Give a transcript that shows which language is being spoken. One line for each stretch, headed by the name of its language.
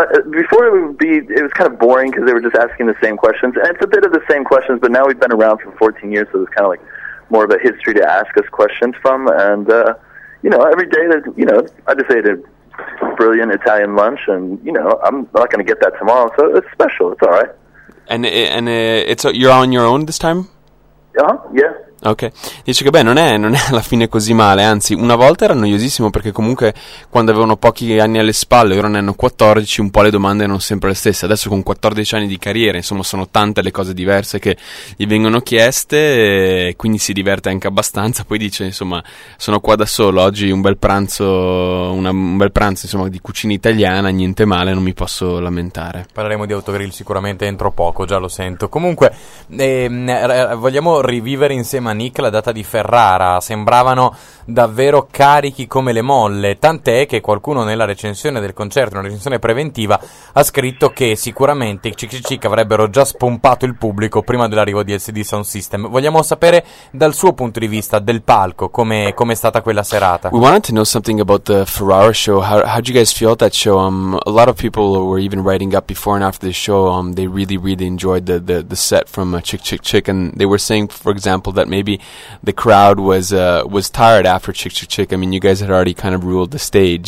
English: Before it was kind of boring because they were just asking the same questions, and it's a bit of the same questions, but now we've been around for 14 years, so there's kind of like more of a history to ask us questions from. And every day that, I just ate a brilliant Italian lunch, and I'm not going to get that tomorrow, so it's special. It's all right. And you're on your own this time? Uh-huh, yeah.
Italian: Ok, dice che non è alla fine così male, anzi una volta era noiosissimo perché comunque quando avevano pochi anni alle spalle, ora ne hanno 14, un po' le domande erano sempre le stesse. Adesso con 14 anni di carriera, insomma, sono tante le cose diverse che gli vengono chieste, e quindi si diverte anche abbastanza. Poi dice, insomma, sono qua da solo, oggi un bel pranzo insomma di cucina italiana, niente male, non mi posso lamentare. Parleremo di autogrill sicuramente entro poco, già lo sento. Comunque vogliamo rivivere insieme a Nick la data di Ferrara. Sembravano davvero carichi come le molle, tant'è che qualcuno nella recensione del concerto, una recensione preventiva, ha scritto che sicuramente i CCC avrebbero già spompato il pubblico prima dell'arrivo di LCD Sound System. Vogliamo sapere dal suo punto di vista del palco come è stata quella serata.
English: We wanted to know something about the Ferrara show. How did you guys feel that show? A lot of people were even writing up before and after the show. They really, really enjoyed the set from Chick Chick Chick, and they were saying, for example, that maybe the crowd was tired after Chick Chick Chick. I mean, you guys had already kind of ruled the stage.